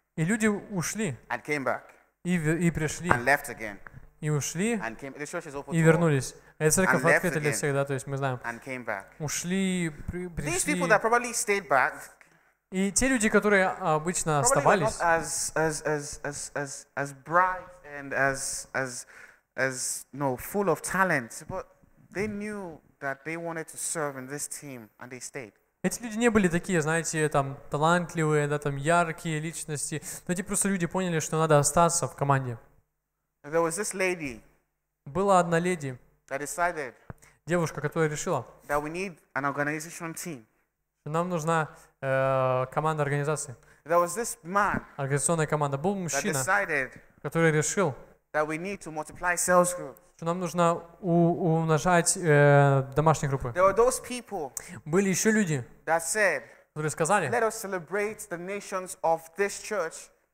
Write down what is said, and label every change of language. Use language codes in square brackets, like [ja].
[ru] И люди ушли. [en] And came back. [ru] И пришли. [en] And left again. [ru] И ушли. [en] And came. The church is open. [ru] И вернулись. Эта церковь открыта для всех, да, то есть мы знаем. [en] And came back. [ru] Ушли, пришли. [en] These people that probably stayed back. [ru] И те люди, которые обычно оставались. [en] As bright and as no full of talent, but they knew that they wanted to serve in this team and they stayed. [ru] Эти люди не были такие, знаете, там талантливые, да, там яркие личности. Но эти просто люди поняли, что надо остаться в команде. [en] There was this lady. [ru] Была одна леди. [en] That decided. [ru] Девушка, которая решила. [en] That we need an organization team. [ru] Нам нужна команда организации. [en] There was this man. [ru] Организационная команда. Был мужчина, [en] that decided, [ru] который решил. [en] That we need to multiply sales groups. [ru] Что нам нужно умножать домашние группы. [en] There were those people. [ru] Были еще люди. [en] That said. [ru] Которые сказали. [en] Let us celebrate the nations of this church.